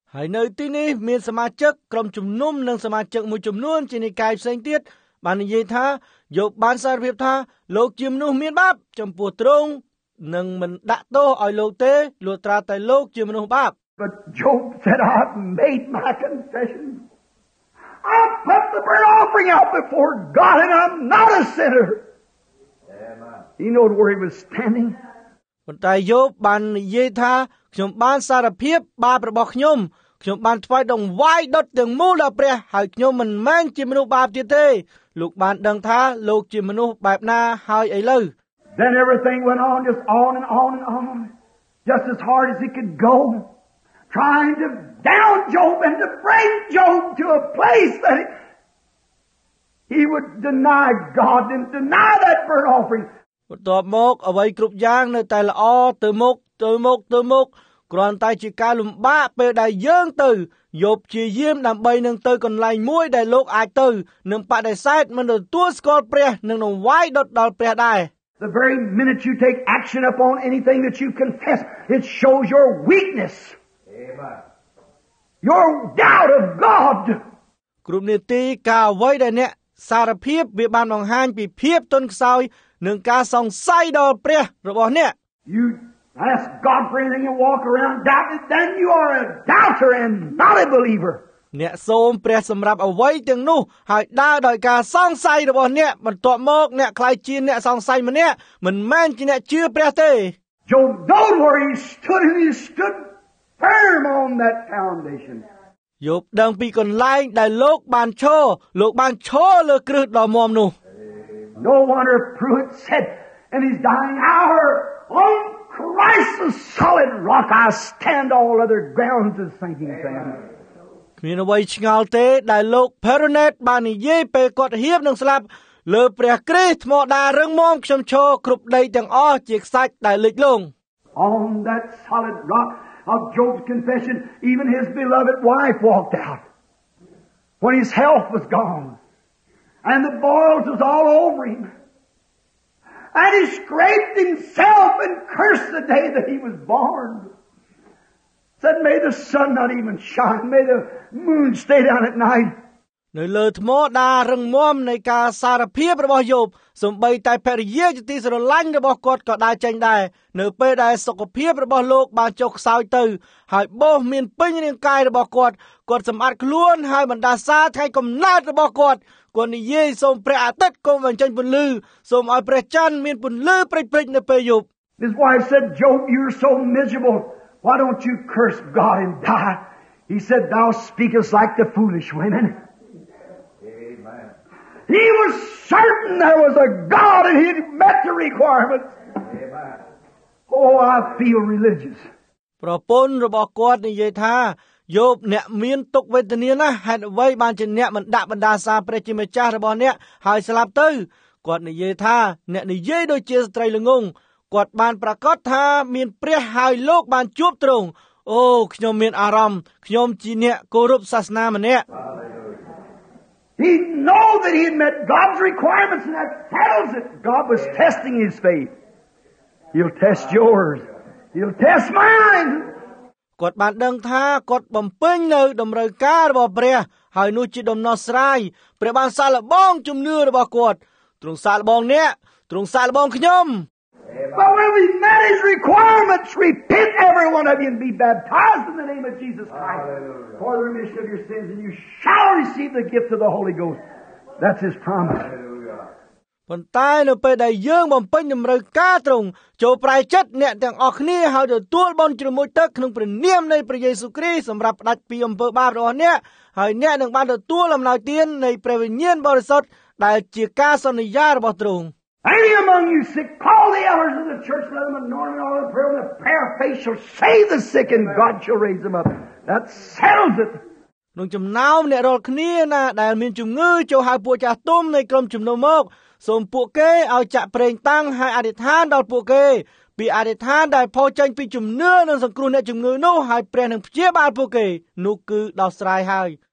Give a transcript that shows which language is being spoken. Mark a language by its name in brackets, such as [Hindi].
[Khmer] ឯនៅទីនេះមានសមាជិកក្រុមជំនុំនិងសមាជិកមួយចំនួនជានិកាយផ្សេងទៀតបាននិយាយថាយកបានសារភាពថាលោកជាមនុស្សមានបាបចំពោះទ្រង់និងមិនដាក់ទោសឲ្យលោកទេលុះត្រាតែលោកជាមនុស្សបាប [English] But Job said, I've made my confession. I put the burnt offering out before God and I'm not a sinner. Amen. He knew where he was standing. [Khmer] ប៉ុន្តែយោបបាននិយាយថាខ្ញុំបានសារភាពបាបរបស់ខ្ញុំខ្ញុំបានថ្វាយដង្វាយដុតទាំងមូលដល់ព្រះហើយខ្ញុំមិនមែនជាមនុស្សបាបទៀតទេលោកបានដឹងថាលោកជាមនុស្សបែបណាហើយឥឡូវ [English] Then everything went on just on and on and on just as hard as it could go. Trying to down Job and to bring Job to a place that he would deny God and deny that burnt offering. [Khmer] បន្ទាប់មកអ្វីគ្រប់យ៉ាងនៅតែល្អទៅមុខទៅមុខទៅមុខគ្រាន់តែជាការលំបាកពេលដែលយើងទៅយកព្យាយាមដើម្បីនឹងទៅកន្លែងមួយដែលលោកអាចទៅនឹងបដិសេធមិនទទួលស្គាល់ព្រះនឹងនឹងវាយដុតដល់ព្រះដែរ [English] The very minute you take action upon anything that you confess, it shows your weakness. Your doubt of God. [Khmer] គ្រប់នាទីកាអ្វីដែលអ្នកសារភាពវាបានបង្ហាញពីភាពទន់ខ្សោយនិងការសង្ស័យដល់ព្រះរបស់អ្នក [English] You ask God for anything you walk around doubting, then you are a doubter and not a believer. [Khmer] អ្នកសូមព្រះសម្រាប់អ្វីទាំងនោះហើយដើរដោយការសង្ស័យរបស់អ្នកបន្ទាប់មកអ្នកខ្លាចជាអ្នកសង្ស័យម្នាក់មិនមែនជាអ្នកជឿព្រះទេ [English] Job don't worry, he stood and he stoodFirm on that foundation. [Khmer] យប់ដឹងពីកន្លែងដែលលោកបានឈរលោកបានឈរលើគ្រឹះដ៏មាំនោះ [English] No wonder Pruitt said in his dying hour, On Christ the solid rock I stand all other grounds is sinking sand. [Khmer] គ្មានអ្វីឆ្ងល់ទេដែលលោក Peronet បាននិយាយពេលគាត់ហៀបនឹងស្លាប់លើព្រះគ្រីស្ទថ្មដារឹងមាំខ្ញុំឈរគ្រប់ដីទាំងអស់ជាខ្សាច់ដែលលិចលង់ [English] On that solid rockOf Job's confession, even his beloved wife walked out when his health was gone and the boils was all over him. And he scraped himself and cursed the day that he was born. Said, may the sun not even shine, may the moon stay down at night. [Khmer] នៅលើថ្មដារឹងមាំនៃការសារភាពរបស់យោបសម្បីតែភរិយាជាទីស្រឡាញ់របស់គាត់ក៏ដើរចេញដែរនៅពេលដែលសុខភាពរបស់លោកបានចុះខ្សោយទៅហើយបោះមានពេញរាងកាយរបស់គាត់គាត់សម្អាតខ្លួនហើយបណ្ដាសាថ្ងៃកំណើតរបស់គាត់គាត់និយាយសូមព្រះអាទិត្យគុំបញ្ចេញពន្លឺសូមឲ្យព្រះច័ន្ទមានពន្លឺព្រិចព្រិចនៅពេលយប់ [English] This wife said Job you're so miserable why don't you curse God and die He said thou speakest like the foolish womenHe was certain there was a God and he'd met the requirements. Oh, I feel religious. [Khmer] ប្រពន្ធរបស់គាត់និយាយថាយោបអ្នកមានទុក្ខវេទនាណាស់ហេតុអ្វីបានជាអ្នកមិនដាក់បណ្ដាសាព្រះជាម្ចាស់របស់អ្នកហើយស្លាប់ទៅគាត់និយាយថាអ្នកនិយាយដូចជាស្ត្រីល្ងង់គាត់បានប្រកាសថាមានព្រះហើយលោកបានជួបទ្រង់អូខ្ញុំមានអារម្មណ៍ខ្ញុំជាអ្នកគោរពសាសនាម្នាក់ [English] He knew that he had met God's requirements and that tells it. God was testing his faith. He'll test yours. He'll test mine. [Khmer] គាត់បានដឹងថាគាត់បំពេញនៅតម្រូវការរបស់ព្រះហើយនោះជាដំណោះស្រាយព្រះបានសាកល្បងជំនឿរបស់គាត់ទ្រង់សាកល្បងអ្នកទ្រង់សាកល្បងខ្ញុំ [English] But when we met his requirements, repent every one of you and be baptized in the name of Jesus Christ for the remission of your sins, and you shall receive the gift of the Holy Ghost. That's his promise. Hallelujah. ប [Khmer] ប៉ុន្តែនៅពេលដែលយើងបំពេញតម្រូវការទ្រង់ចូលប្រែចិត្តអ្នកទាំងអស់គ្នាហើយទទួលបុណ្យជ្រមុជទឹកក្នុងព្រះនាមនៃព្រះយេស៊ូវគ្រីស្ទសម្រាប់ផ្ដាច់ពីអំពើបាបរបស់អ្នកហើយអ្នកនឹងបានទទួលអំណោយទាននៃព្រះវិញ្ញាណបរិសុទ្ធដែលជាការសន្យារបស់ទ្រង់ [English] Any among you sick, call the elders of the church, let them anoint all the prayer, and the prayer of faith shall save the sick, and God shall raise them up. That settles it. [Khmer] ក្នុងចំណោមអ្នករាល់គ្នាណាដែលមានជំងឺចូលហៅពួកចាស់ទុំនៃក្រុមជំនុំមកសូមពួកគេឲ្យចាក់ប្រេងតាំងហើយអធិដ្ឋានដល់ពួកគេពីអធិដ្ឋានដែលផុសចេញពីជំនឿនឹងសង្គ្រោះអ្នកជំងឺនោះហើយព្រះនឹងព្យាបាលពួកគេនោះគឺដោះស្រាយហើយ